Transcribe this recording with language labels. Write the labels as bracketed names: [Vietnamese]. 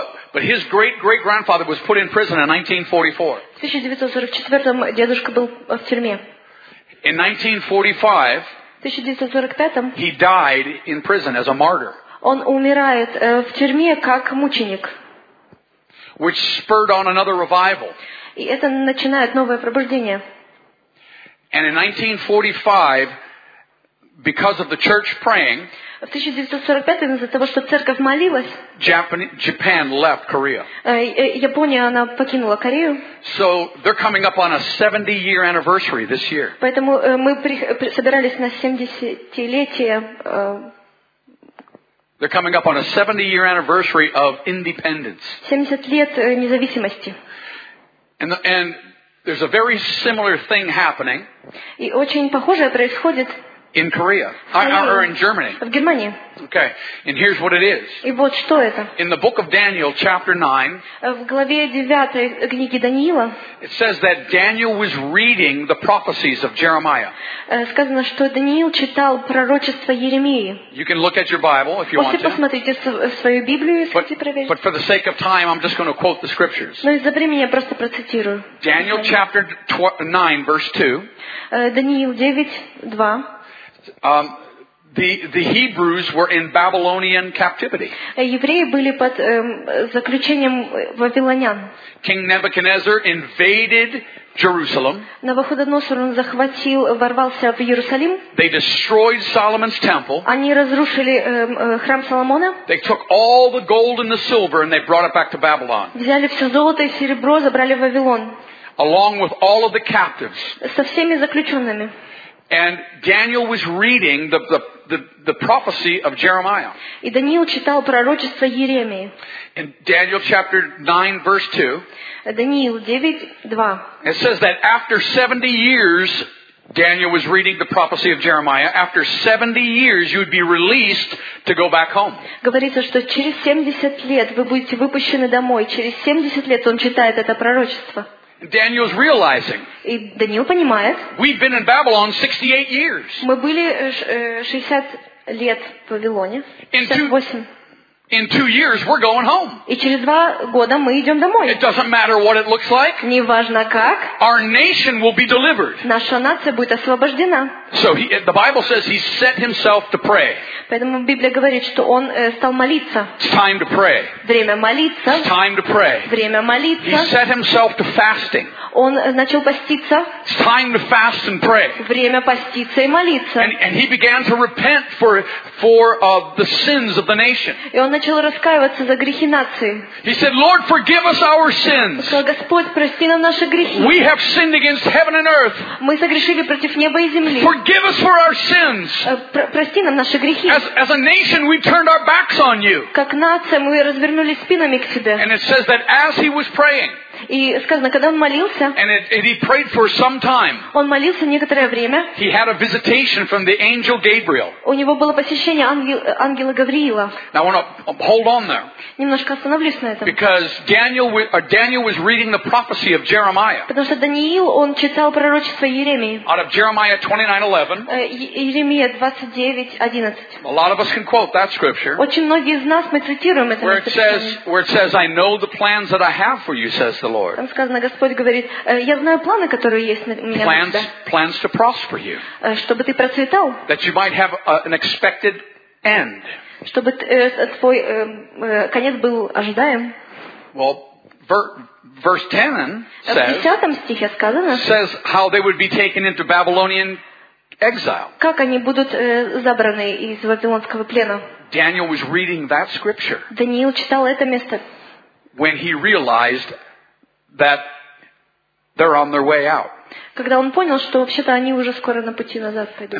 [English] But his great-great-grandfather was put in prison in 1944. [Russian] В 1944-м дедушка был в тюрьме. [English] In 1945, he died in prison as a martyr. [Russian] Он умирает в тюрьме как мученик. [English] Which spurred on another revival. [Russian] И это начинает новое пробуждение. [English] And in 1945, because of the church praying, [Russian] в 1945 из-за того, что церковь молилась, [English] Japan left Korea. [Russian] Япония она покинула Корею. [English] So they're coming up on a 70-year anniversary this year. [Russian] Поэтому мы собирались на 70-летие. [English] They're coming up on a 70-year anniversary of independence. [Russian] 70 лет независимости. [English] And there's a very similar thing happening. [Russian] И очень похожее происходит. [English] In Korea, or in Germany. [Russian] В Германии. [English] Okay, and here's what it is. [Russian] И вот что это. [English] In the book of Daniel, chapter 9, [Russian] в главе 9 книги Даниила, [English] it says that Daniel was reading the prophecies of Jeremiah. [Russian] Сказано, что Даниил читал пророчество Еремии. [English] You can look at your Bible if you want to. [Russian] Посмотрите свою Библию, если хотите проверить. [English] But for the sake of time, I'm just going to quote the scriptures. [Russian] Но из-за времени я просто процитирую. [English] Daniel chapter 9, verse 2. [Russian] Даниил 9:2. [English] The Hebrews were in Babylonian captivity. [Russian] Евреи были под заключением вавилонян. [English] King Nebuchadnezzar invaded Jerusalem. [Russian] Навуходоносор он захватил, ворвался в Иерусалим. [English] They destroyed Solomon's temple. [Russian] Они разрушили храм Соломона. [English] They took all the gold and the silver and they brought it back to Babylon. [Russian] Взяли все золото и серебро, забрали в Вавилон. [English] Along with all of the captives. [Russian] Со всеми заключенными. [English] And Daniel was reading the prophecy of Jeremiah. [Russian] И Даниил читал пророчество Еремии. [English] In Daniel chapter 9 verse 2. [Russian] Даниил 9:2. [English] It says that after 70 years Daniel was reading the prophecy of Jeremiah, after 70 years you would be released to go back home. [Russian] Говорится, что через 70 лет вы будете выпущены домой. Через 70 лет он читает это пророчество. [English] Daniel's realizing. [Russian] И Даниил понимает. [English] We've been in Babylon 68 years. [Russian] Мы были 60 лет в Вавилоне. 68. [English] In 2 years, we're going home. [Russian] И через 2 года мы идем домой. [English] It doesn't matter what it looks like. [Russian] Не важно как. [English] Our nation will be delivered. [Russian] Наша нация будет освобождена. [English] So the Bible says he set himself to pray. [Russian] Поэтому Библия говорит, что он стал молиться. [English] It's time to pray. [Russian] Время молиться. [English] It's time to pray. [Russian] Время молиться. [English] He set himself to fasting. [Russian] Он начал поститься. [English] It's time to fast and pray. [Russian] Время поститься и молиться. [English] And he began to repent for the sins of the nation. [Russian] И он начал раскаиваться за грехи нации. [English] He said, Lord, forgive us our sins. [Russian] Сказал, Господь, прости нам наши грехи. [English] We have sinned against heaven and earth. [Russian] Мы согрешили против неба и земли. [English] Forgive us for our sins. [Russian] Прости нам наши грехи. [English] As a nation, we turned our backs on you. [Russian] Как нация, мы развернулись спинами к тебе. [English] And it says that as he was praying, [Russian] И сказано, когда он молился, [English] and for some time, [Russian] он молился некоторое время, [English] he had a visitation from the angel Gabriel. [Russian] У него было посещение ангела Гавриила. [English] Now, I want to hold on there. [Russian] Немножко остановлюсь на этом. [English] Because Daniel was reading the prophecy of Jeremiah. [Russian] Потому что Даниил, он читал пророчество Иеремии. [English] Out of Jeremiah 29:11. A lot of us can quote that scripture. [Russian] Очень многие из нас мы цитируем это место. [English] Where it says, I know the plans that I have for you, says the Lord. [Russian] Там сказано, Господь говорит, я знаю планы, которые есть на меня. [English] Plans to prosper you. [Russian] Чтобы ты процветал. [English] That you might have an expected end. [Russian] Чтобы твой конец был ожидаем. [English] Well, verse 10 says how they would be taken into Babylonian exile. [Russian] Как они будут забраны из вавилонского плена? [English] Daniel was reading that scripture. [Russian] Даниил читал это место. [English] When he realized that they're on their way out. [Russian] Когда он понял, что вообще-то они уже скоро на пути назад пойдут.